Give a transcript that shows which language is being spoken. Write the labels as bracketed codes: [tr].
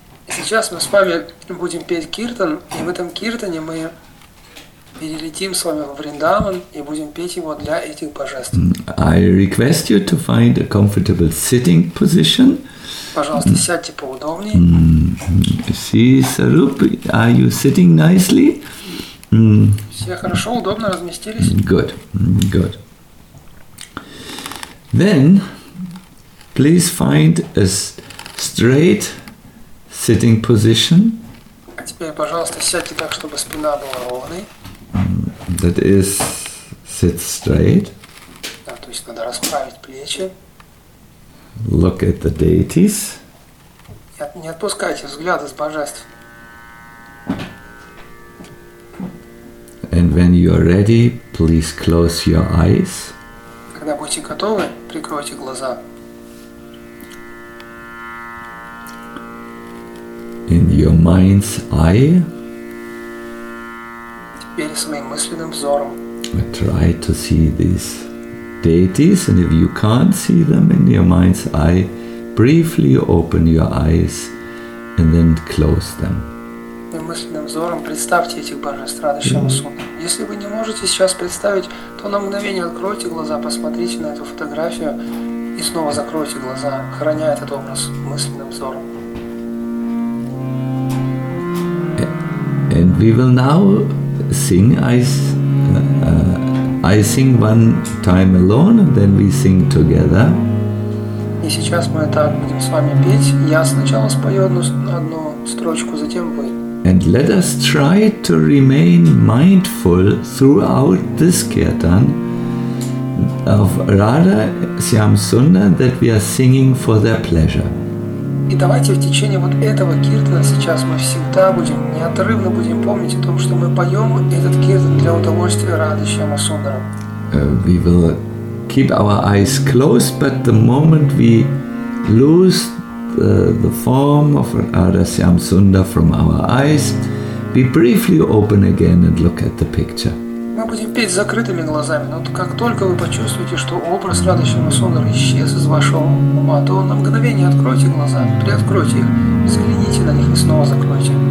[ru] Сейчас мы с вами будем петь киртан, и в этом киртане мы перелетим с вами в Вриндаван и будем петь его для этих божеств. [en] I request you to find a comfortable sitting position. [ru] Пожалуйста, сядьте поудобнее. [en] See, Sarup, are you sitting nicely? [ru] Все хорошо, удобно разместились? [en] Good. Then please find a straight sitting position. [ru] А теперь, пожалуйста, сядьте так, чтобы спина была ровной. [en] That is, sit straight. [ru] Да, то есть надо расправить плечи. [en] Look at the deities. [ru] Не отпускайте взгляды с божеств. [en] And when you are ready, please close your eyes. [ru] Когда будете готовы, прикройте глаза. [en] In your mind's eye. [ru] Теперь своим мысленным взором. [en] Try to see these deities, and if you can't see them in your mind's eye, briefly open your eyes and then close them. [ru] И мысленным взором представьте этих божеств радующего суда. Если вы не можете сейчас представить, то на мгновение откройте глаза, посмотрите на эту фотографию и снова закройте глаза, храня этот образ мысленным взором. [en] And we will now sing I sing one time alone, and then we sing together. [ru] И сейчас мы так будем с вами петь. Я сначала спою одну строчку, затем вы. [en] And let us try to remain mindful throughout this kirtan of Radha Shyam Sundar that we are singing for their pleasure. [ru] И давайте в течение вот этого киртана сейчас мы всегда будем неотрывно будем помнить о том, что мы поем этот киртан для удовольствия Радхи Шьяма Сундара. [en] We will keep our eyes closed, but the moment we lose the form of Radha Shyam Sundara from our eyes, we briefly open again and look at the picture. [ru] Мы будем петь с закрытыми глазами, но как только вы почувствуете, что образ Радхи Шьяма Сундара исчез из вашего ума, то на мгновение откройте глаза, приоткройте их, взгляните на них и снова закройте.